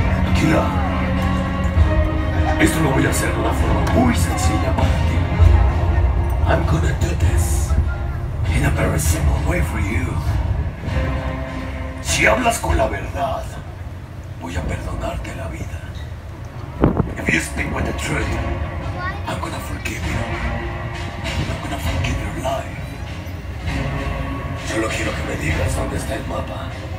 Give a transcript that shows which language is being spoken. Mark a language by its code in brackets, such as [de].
[es] Aquila, esto lo voy a hacer de una forma muy sencilla para ti. [en] I'm gonna do this in a very simple way for you. [es] Si hablas con la verdad, voy a perdonarte la vida. [en] If you speak with the truth, I'm gonna forgive you. I'm gonna forgive your life. [es] Solo quiero que me digas dónde está el mapa.